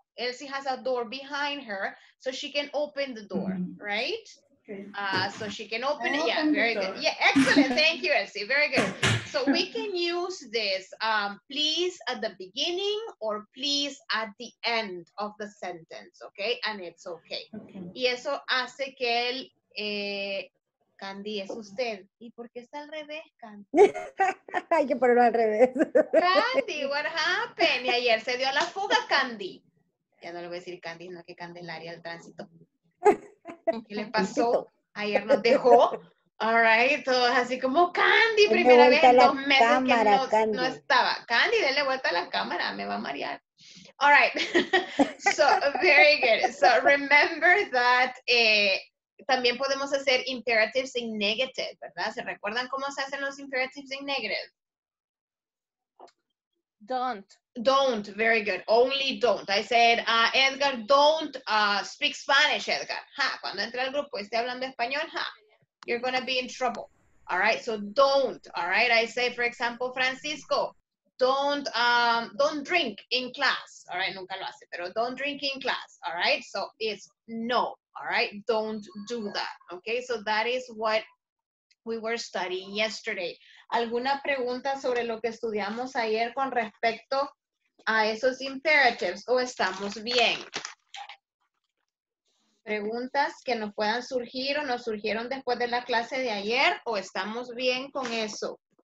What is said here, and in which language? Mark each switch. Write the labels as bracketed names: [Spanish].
[English] Elsie has a door behind her so she can open the door. Mm-hmm. Right. So she can open it. Yeah, very good. Yeah, excellent. Thank you, Elsie. Very good. So we can use this please at the beginning or please at the end of the sentence, okay? And it's okay. Okay. [Spanish] Y eso hace que el Candy es usted. ¿Y por qué está al revés, Candy? Hay que ponerlo al revés. Candy, [English] what happened? [Spanish] Y ayer se dio a la fuga, Candy. Ya no le voy a decir Candy, no, que Candelaria el tránsito. ¿Qué le pasó? Ayer nos dejó. [English] All right, [Spanish] todos así como Candy, primera vez en dos meses cámara, que no, no estaba. Candy, denle vuelta a la cámara, me va a marear. [English] All right, so very good. So remember that [Spanish] también podemos hacer [English] imperatives in negative, [Spanish] ¿verdad? ¿Se recuerdan cómo se hacen los [English] imperatives in negative? Don't. Don't, very good. Only don't. I said, Edgar, don't speak Spanish, Edgar. [Spanish] Ha, cuando entre al grupo y esté hablando español, ha, [English] you're going to be in trouble. All right, so don't, all right? I say, for example, Francisco, don't drink in class. All right, [Spanish] nunca lo hace, pero [English] don't drink in class, all right? So it's no, all right? Don't do that, okay? So that is what we were studying yesterday. [Spanish] ¿Alguna pregunta sobre lo que estudiamos ayer con respecto a esos imperatives o estamos bien? ¿Preguntas que nos puedan surgir o nos surgieron después de la clase de ayer o estamos bien con eso?